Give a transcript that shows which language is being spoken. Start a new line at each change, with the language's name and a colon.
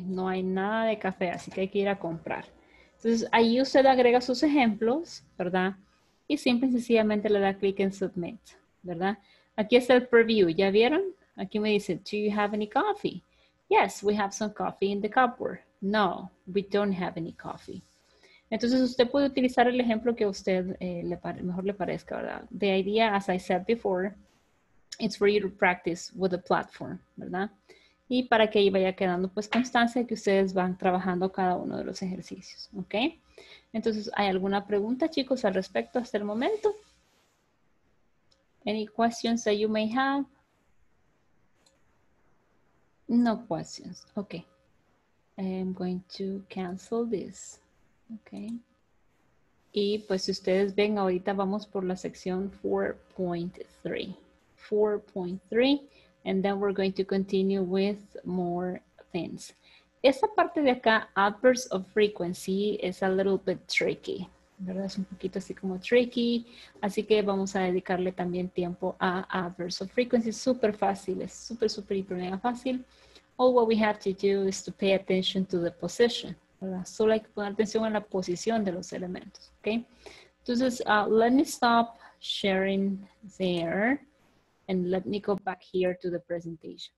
Spanish: No hay nada de café, así que hay que ir a comprar. Entonces, ahí usted agrega sus ejemplos, ¿verdad? Y simple y sencillamente le da clic en submit, ¿verdad? Aquí está el preview, ¿ya vieron? Aquí me dice,
English: do you have any coffee? Yes, we have some coffee in the cupboard. No, we don't have any coffee.
Spanish: Entonces, usted puede utilizar el ejemplo que a usted mejor le parezca, ¿verdad?
English: The idea, as I said before, it's for you to practice with the platform, ¿verdad?
Spanish: Y para que ahí vaya quedando, pues, constancia que ustedes van trabajando cada uno de los ejercicios, ¿ok? Entonces, ¿hay alguna pregunta, chicos, al respecto hasta el momento?
English: Any questions that you may have? No questions. Ok. I am going to cancel this. Ok.
Spanish: Y pues si ustedes ven, ahorita vamos por la sección 4.3.
English: And then we're going to continue with more things.
Spanish: Esa parte de acá,
English: adverbs of frequency, is a little bit tricky.
Spanish: ¿Verdad? Es un poquito así como tricky. Así que vamos a dedicarle también tiempo a adverbs of frequency. Súper fácil. Es súper, súper, hiper mega fácil.
English: All what we have to do is to pay attention to the position.
Spanish: ¿Verdad? Solo hay que poner atención a la posición de los elementos.
English: ¿Ok? Entonces, let me stop sharing there. And let me go back here to the presentation.